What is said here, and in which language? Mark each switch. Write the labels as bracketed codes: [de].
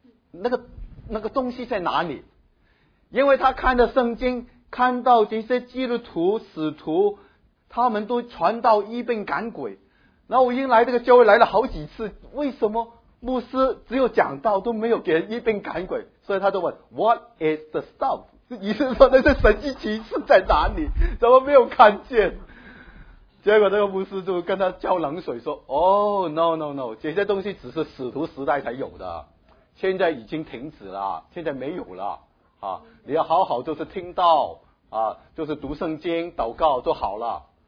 [zh] 那个东西在哪里？因为他看的圣经，看到这些基督徒、使徒，他们都传道、医病、赶鬼，然后我因来这个教会来了好几次，为什么牧师只有讲道都没有给人医病赶鬼？所以他就问 [en] What is the stuff? [zh] 医生说那些神迹奇事在哪里，怎么没有看见？结果那个牧师就跟他浇冷水说，哦 no 这些东西只是使徒时代才有的，现在已经停止了，现在没有了啊！你要好好就是听到啊，就是读圣经祷告就好了。